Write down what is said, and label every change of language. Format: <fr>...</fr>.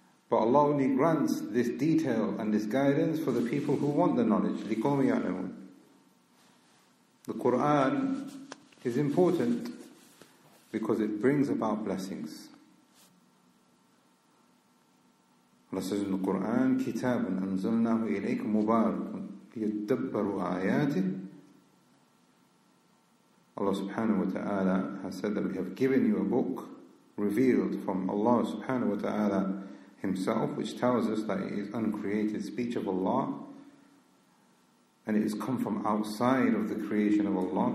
<en>But Allah only grants this detail and this guidance for the people who want the knowledge.</en> <ar>لِكَوْمِ يَعْلَمُونَ.</ar> <en>The Qur'an is important because it brings about blessings. Allah says in the Qur'an,</en> <ar>كِتَابٌ أَنْزَلْنَاهُ إِلَيْكُمْ مُبَارَكٌ لِيَدَّبَّرُوا آيَاتِهِ.</ar> <en>Allah subhanahu wa ta'ala has said that we have given you a book revealed from Allah subhanahu wa ta'ala Himself, which tells us that it is uncreated speech of Allah, and it has come from outside of the creation of Allah.</en>